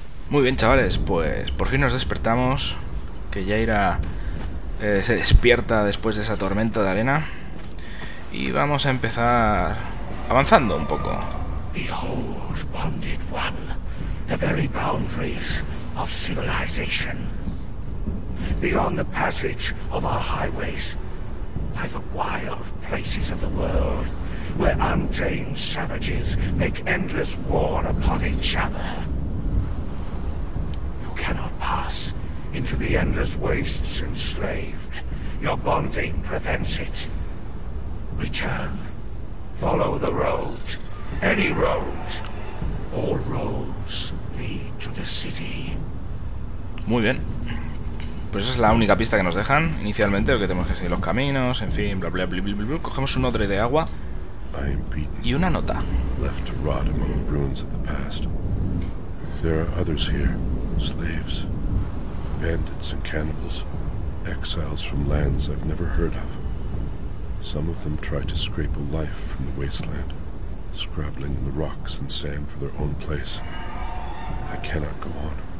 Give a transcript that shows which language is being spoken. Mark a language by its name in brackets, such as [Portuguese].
[Spanish] Muy bien, chavales, pues por fin nos despertamos, que Jaira se despierta después de esa tormenta de arena. Y vamos a empezar avanzando un poco. [English] Behold, bonded one, the very boundaries of civilization. Beyond the passage of our highways, by the wild places of the world, where untamed savages make endless war upon each other. You cannot pass into the endless wastes enslaved. Your bonding prevents it. Return. Follow the road. Any road. All roads lead to the city. [Spanish] Muy bien. Pues esa es la única pista que nos dejan inicialmente, lo que tenemos que seguir los caminos, en fin, bla bla bla bla bla. Cogemos un odre de agua y una nota. [English] Left to rot among the ruins of the past. There are others here, slaves, bandits and cannibals, exiles from lands I've never heard of. Some of them try to scrape a life from the wasteland, scrabbling in the rocks and sand for their own place. I cannot go on.